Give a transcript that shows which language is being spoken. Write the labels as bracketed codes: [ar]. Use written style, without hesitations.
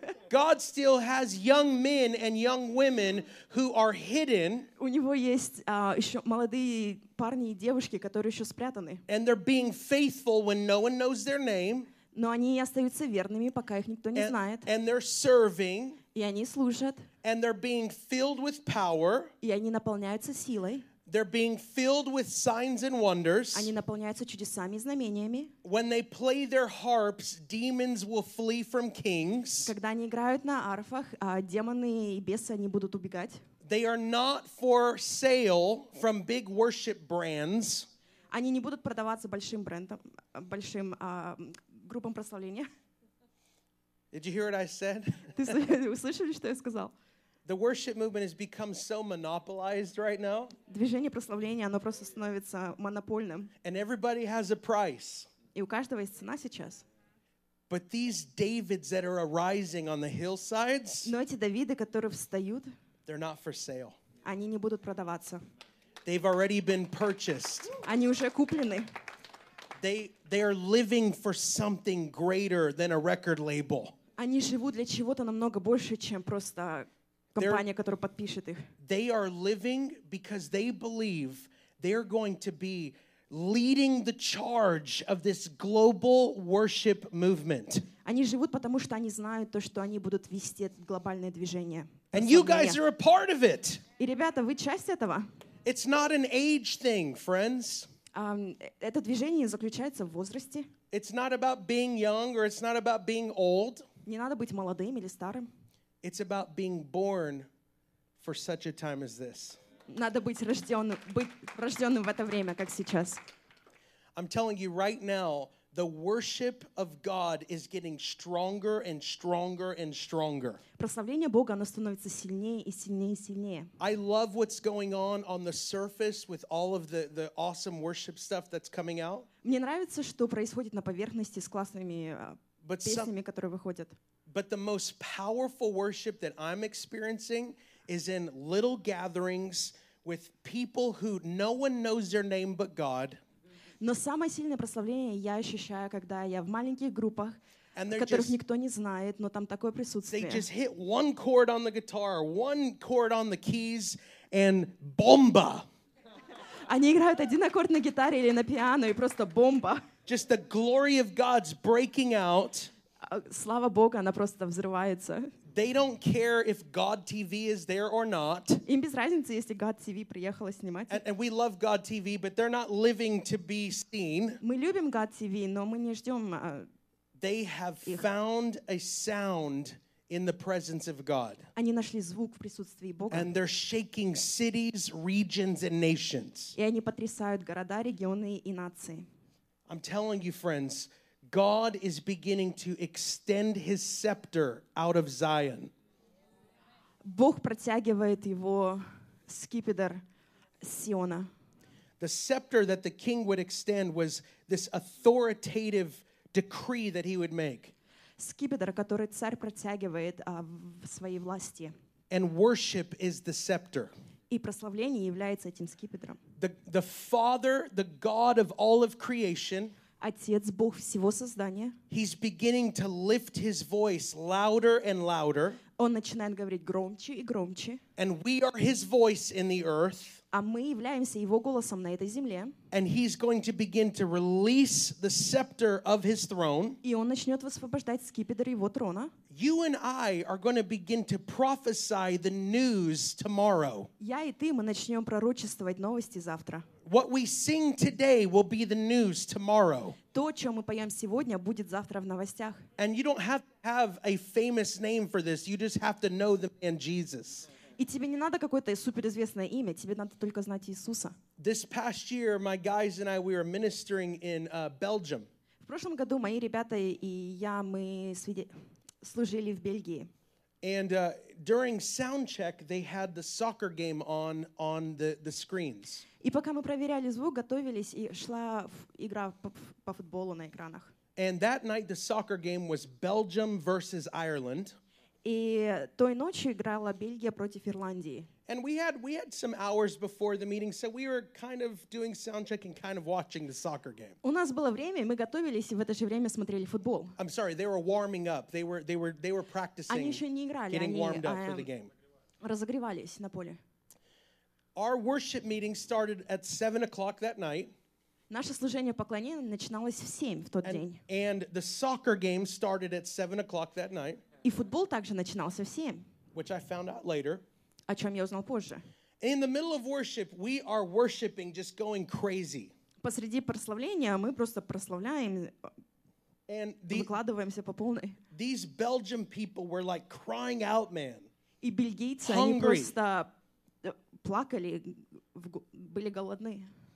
[en] God still has young men and young women who are hidden. [ru] У него есть еще молодые парни и девушки, которые еще спрятаны. [en] And they're being faithful when no one knows their name. [ru] Но они остаются верными, пока их никто не знает. [en] And they're serving. [ru] И они служат. [en] And they're being filled with power. [ru] И они наполняются силой. [en] They're being filled with signs and wonders. [ru] Они наполняются чудесами и знамениями. [en] When they play their harps, demons will flee from kings. [ru] Когда они играют на арфах, демоны и бесы они будут убегать. [en] They are not for sale from big worship brands. [ru] Они не будут продаваться большим брендам, большим группам прославления. [en] Did you hear what I said? [ru] Ты услышали, что я сказал? [en] The worship movement has become so monopolized right now. [ru] Движение прославления, оно просто становится монопольным. [en] And everybody has a price. [ru] И у каждого есть цена сейчас. [en] But these Davids that are arising on the hillsides, [ru] но эти Давиды, которые встают, [en] they're not for sale. [ru] Они не будут продаваться. [en] They've already been purchased. [ru] Они уже куплены. [en] They are living for something greater than a record label. [ru] Они живут для чего-то намного больше, чем просто компания, которая подпишет их. [en] They are living because they believe they are going to be leading the charge of this global worship movement. [ru] Они живут, потому что они знают то, что они будут вести это глобальное движение. [en] And you guys are a part of it. [ru] И ребята, вы часть этого. [en] It's not an age thing, friends. [ru] Это движение не заключается в возрасте. [en] It's not about being young or it's not about being old. [ru] Не надо быть молодым или старым. [en] It's about being born for such a time as this. [ru] Надо быть рождённым в это время, как сейчас. [en] I'm telling you right now, the worship of God is getting stronger and stronger and stronger. [ru] Прославление Бога, оно становится сильнее и сильнее и сильнее. [en] I love what's going on the surface with all of the awesome worship stuff that's coming out. [ru] Мне нравится, что происходит на поверхности с классными песнями, которые выходят. [en] But the most powerful worship that I'm experiencing is in little gatherings with people who no one knows their name but God. [ru] Но самое сильное прославление я ощущаю, когда я в маленьких группах, которых никто не знает, но там такое присутствие. [en] They just hit one chord on the guitar, one chord on the keys, and bomba. [ru] Они играют один аккорд на гитаре или на пиано и просто бомба. [en] Just the glory of God's breaking out. [ru] Слава Богу, она просто взрывается. [en] They don't care if God TV is there or not. [ru] Им без разницы, если God TV приехала снимать. [en] And we love God TV, but they're not living to be seen. [ru] Мы любим God TV, но мы не ждем. [en] They have found a sound in the presence of God. [ru] Они нашли звук в присутствии Бога. [en] And they're shaking cities, regions, and nations. [ru] И они потрясают города, регионы и нации. [en] I'm telling you, friends, God is beginning to extend his scepter out of Zion. [ru] Бог протягивает его скипетр Сиона. [en] The scepter that the king would extend was this authoritative decree that he would make. [ru] Скипетр, который царь протягивает в своей власти. [en] And worship is the scepter. [ru] И прославление является этим скипетром. [en] The Father, the God of all of creation, [ru] Отец, Бог всего создания, [en] he's beginning to lift his voice louder and louder. [ru] Он начинает говорить громче и громче. [en] And we are his voice in the earth. [ru] А мы являемся его голосом на этой земле. [en] And he's going to begin to release the scepter of his throne. [ru] И он начнет высвобождать скипетр его трона. [en] You and I are going to begin to prophesy the news tomorrow. [ru] Я и ты, мы начнем пророчествовать новости завтра. [en] What we sing today will be the news tomorrow. [ru] То, о чем мы поем сегодня, будет завтра в новостях. [en] And you don't have to have a famous name for this. You just have to know the man Jesus. [ru] И тебе не надо какое-то суперизвестное имя. Тебе надо только знать Иисуса. [en] This past year, my guys and I, we were ministering in Belgium. [ru] В прошлом году мои ребята и я, мы служили в Бельгии. [en] And during sound check, they had the soccer game on the screens. [ru] И пока мы проверяли звук, готовились, и шла игра по футболу на экранах. [en] And that night the soccer game was Belgium versus Ireland. [ru] И той ночью играла Бельгия против Ирландии. [en] And we had some hours before the meeting, so we were kind of doing sound check and kind of watching the soccer game. [ru] У нас было время, мы готовились и в это же время смотрели футбол. [en] I'm sorry, they were warming up. They were practicing. [ru] Они еще не играли, [en] getting warmed up for the game. [ru] Разогревались на поле. [en] Our worship meeting started at 7 o'clock that night. [ru] Наше служение поклонения начиналось в 7 в тот день. [en] And the soccer game started at 7 o'clock that night. [ru] И футбол также начинался в 7. [en] Which I found out later. [ru] О чем я узнал позже. [en] In the middle of worship, we are worshiping, just going crazy. [ru] Посреди прославления мы просто прославляем, выкладываемся по полной. [en] These Belgian people were like crying out, man. [ru] И бельгийцы, они просто плакали, были голодны.